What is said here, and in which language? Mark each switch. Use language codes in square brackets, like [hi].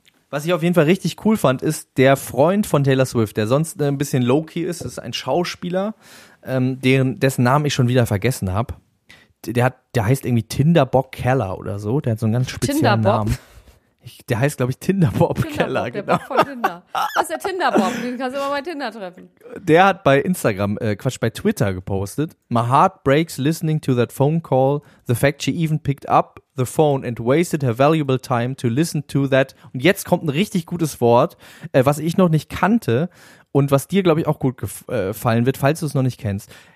[de] Was ich auf jeden Fall richtig cool fand, ist der Freund von Taylor Swift, der sonst ein bisschen low-key ist, ist ein Schauspieler, dessen Namen ich schon wieder vergessen habe. Der heißt irgendwie Tinderbock Keller oder so. Der hat so einen ganz speziellen Namen. Der heißt, glaube ich, Tinderbob Keller. Der genau. Bob von Tinder. Das ist der Tinderbob, den kannst du immer bei Tinder treffen. Der hat bei Instagram, bei Twitter gepostet. [en] My heart breaks listening to that phone call. The fact she even picked up the phone and wasted her valuable time to listen to that. [de] Und jetzt kommt ein richtig gutes Wort, was ich noch nicht kannte und was dir, glaube ich, auch gut gefallen wird, falls du es noch nicht kennst.